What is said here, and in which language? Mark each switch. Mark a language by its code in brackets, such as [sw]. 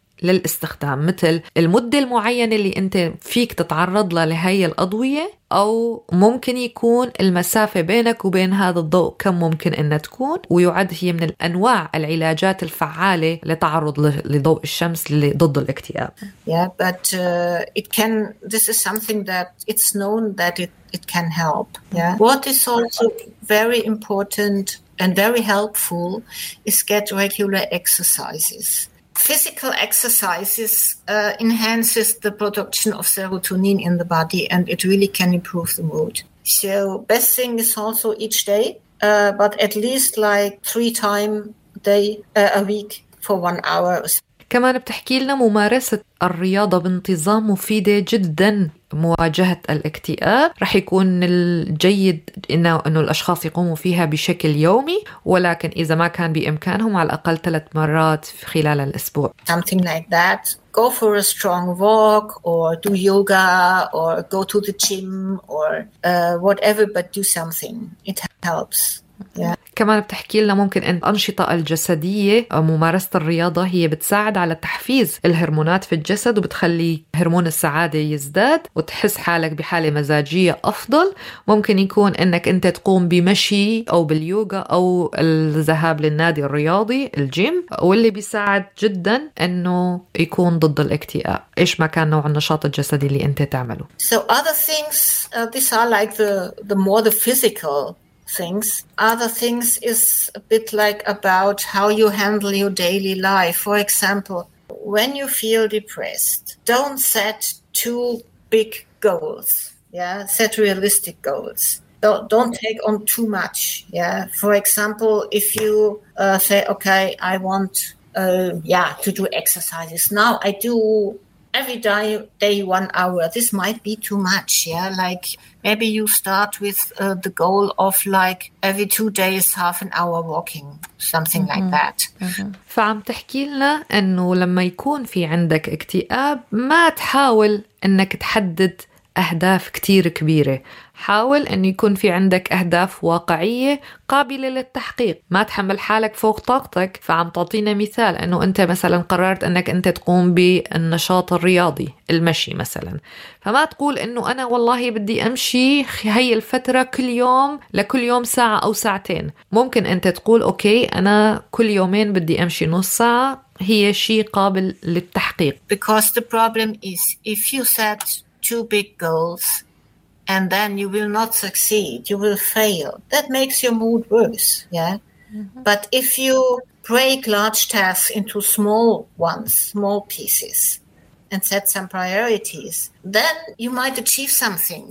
[ar] للاستخدام، مثل المدة المعينة اللي أنت فيك تتعرض لها لهي الأضوية، أو ممكن يكون المسافة بينك وبين هذا الضوء كم ممكن أن تكون، ويعد هي من الأنواع العلاجات الفعالة لتعرض لضوء الشمس ضد الاكتئاب. [en] Yeah, but it can. This is something that it's known that it can help. Yeah. What is also very important and very helpful is get regular exercises. Physical exercises enhances the production of serotonin in the body, and it really can improve the mood. So best thing is also each day, but at least like 3 times a day, a week for 1 hour. [ar] كمان بتحكي لنا ممارسة الرياضة بانتظام مفيدة جداً مواجهة الاكتئاب، رح يكون الجيد إنه الأشخاص يقوموا فيها بشكل يومي، ولكن إذا ما كان بإمكانهم على الأقل 3 مرات خلال الأسبوع. [en] Something like that. Go for a strong walk or do yoga or go to the gym or whatever, but do something. It helps. Yeah. [ar] كمان بتحكي لنا ممكن أن الأنشطة الجسدية أو ممارسة الرياضة هي بتساعد على تحفيز الهرمونات في الجسد وبتخلي هرمون السعادة يزداد وتحس حالك بحالة مزاجية أفضل. ممكن يكون أنك أنت تقوم بمشي أو باليوغا أو الذهاب للنادي الرياضي الجيم، واللي بيساعد جدا أنه يكون ضد الاكتئاب إيش ما كان نوع النشاط الجسدي اللي أنت تعمله. [en] So other things, these are like the more the physical things. Other things is a bit like about how you handle your daily life. For example, when you feel depressed, don't set too big goals. Yeah, set realistic goals. Don't take on too much. Yeah. For example, if you say, okay, I want to do exercises. Now I do every day 1 hour. This might be too much. Yeah, like maybe you start with the goal of like every 2 days half an hour walking, something like that. [ar] فعم تحكي لنا إنه لما يكون في عندك اكتئاب ما تحاول إنك تحدد أهداف كتير كبيرة، حاول أن يكون في عندك أهداف واقعية قابلة للتحقيق، ما تحمل حالك فوق طاقتك. فعم تعطينا مثال أنه أنت مثلا قررت أنك أنت تقوم بالنشاط الرياضي المشي مثلا، فما تقول أنه أنا والله بدي أمشي هاي الفترة كل يوم لكل يوم ساعة أو ساعتين. ممكن أنت تقول أوكي أنا كل يومين بدي أمشي نص ساعة، هي شيء قابل للتحقيق. [en] Because the problem is if you said two big goals and then you will not succeed, you will fail. That makes your mood worse, yeah? But if you break large tasks into small ones, small pieces, and set some priorities, then you might achieve something.